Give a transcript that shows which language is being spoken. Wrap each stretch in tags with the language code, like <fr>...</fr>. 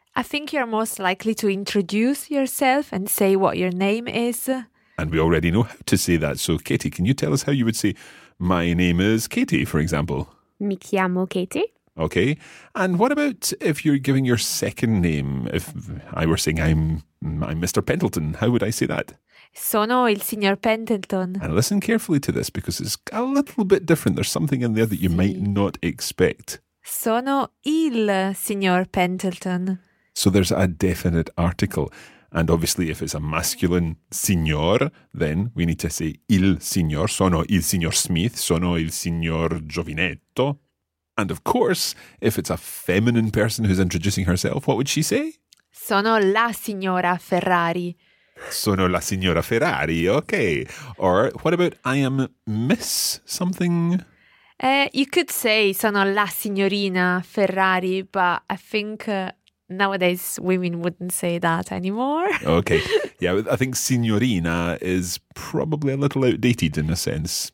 <en>I think you're most likely to introduce yourself and say what your name is. And we already know how to say that. So, Katie, can you tell us how you would say, my name is Katie, for example?</en> <it>Mi chiamo Katie.</it> <en>Okay. And what about if you're giving your second name? If I were saying I'm Mr. Pendleton, how would I say that?</en> <it>Sono il signor Pendleton.</it> <en>And listen carefully to this because it's a little bit different. There's something in there that you might not expect.</en> <it>Sono il signor Pendleton.</it> <en>So there's a definite article. And obviously, if it's a masculine signor, then we need to say il signor.</en> <it>Sono il signor Smith. Sono il signor Giovinetto.</it> <en>And of course, if it's a feminine person who's introducing herself, what would she say?</en> <it>Sono la signora Ferrari. sono la signora Ferrari, ok.</it> <en>Or what about I am Miss something? You could say</en> <it>sono la signorina Ferrari,</it> <en>but I think nowadays women wouldn't say that anymore. Okay, yeah, I think signorina is probably a little outdated in a sense.</en>